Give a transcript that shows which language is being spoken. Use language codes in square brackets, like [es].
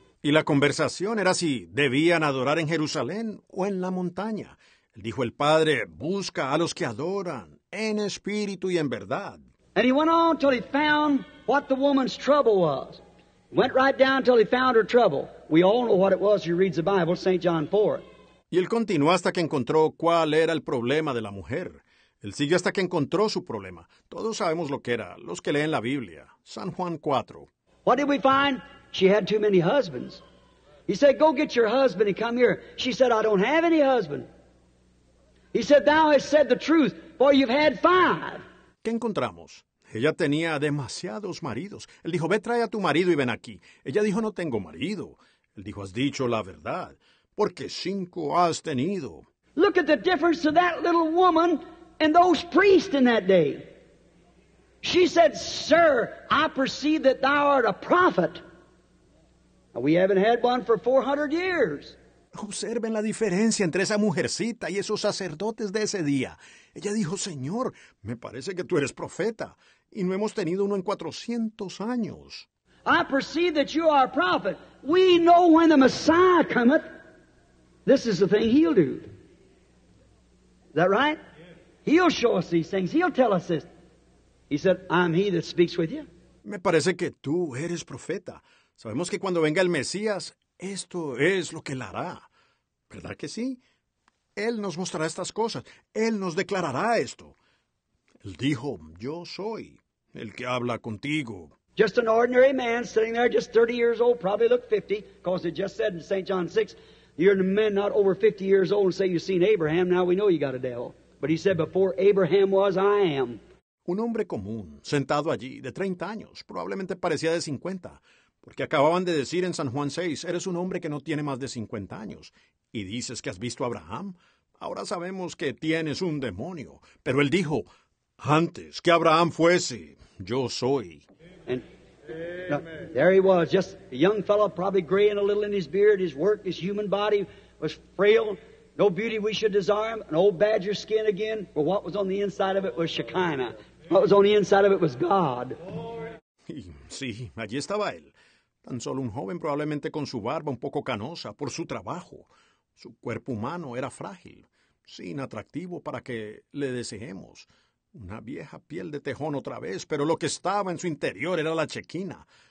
[es] Y la conversación era si debían adorar en Jerusalén o en la montaña. Él dijo, el Padre busca a los que adoran en espíritu y en verdad. [en] And he went on till he found what the woman's trouble was. Went right down till he found her trouble. We all know what it was. He reads the Bible, St. John 4. [es] Y él continuó hasta que encontró cuál era el problema de la mujer. Él siguió hasta que encontró su problema. Todos sabemos lo que era, los que leen la Biblia. San Juan 4. [en] What did we find? She had too many husbands. He said, go get your husband and come here. She said, I don't have any husband. He said, thou hast said the truth, for you've had 5. [es] ¿Qué encontramos? Ella tenía demasiados maridos. Él dijo, ve, trae a tu marido y ven aquí. Ella dijo, no tengo marido. Él dijo, has dicho la verdad. Porque 5 has tenido. [en] Look at the difference of that little woman and those priests in that day. She said, sir, I perceive that thou art a prophet. We haven't had one for 400 years. [es] Observen la diferencia entre esa mujercita y esos sacerdotes de ese día. Ella dijo, señor, me parece que tú eres profeta. Y no hemos tenido uno en 400 años. [en] I perceive that you are a prophet. We know when the Messiah cometh. This is the thing he'll do. Is that right? Yes. He'll show us these things. He'll tell us this. He said, I'm he that speaks with you. [es] Me parece que tú eres profeta. Sabemos que cuando venga el Mesías, esto es lo que él hará. ¿Verdad que sí? Él nos mostrará estas cosas. Él nos declarará esto. Él dijo, yo soy el que habla contigo. [en] Just an ordinary man sitting there, just 30 years old, probably looked 50, because it just said in St. John 6, you're a man not over 50 years old and say you've seen Abraham. Now we know you got a devil. But he said, before Abraham was, I am. [es] Un hombre común, sentado allí, de 30 años, probablemente parecía de 50, porque acababan de decir en San Juan 6, eres un hombre que no tiene más de 50 años. Y dices que has visto a Abraham. Ahora sabemos que tienes un demonio. Pero él dijo, antes que Abraham fuese, yo soy. [en] And, no, there he was, just a young fellow, probably graying a little in his beard. His work, his human body was frail. No beauty we should desire him. An old badger skin again. But what was on the inside of it was Shekinah. What was on the inside of it was God. [es] Sí, allí estaba él. Tan solo un joven, probablemente con su barba un poco canosa por su trabajo. Su cuerpo humano era frágil, sin atractivo para que le deseemos. Una vieja piel de tejón otra vez, pero lo que estaba en su interior era la chequina.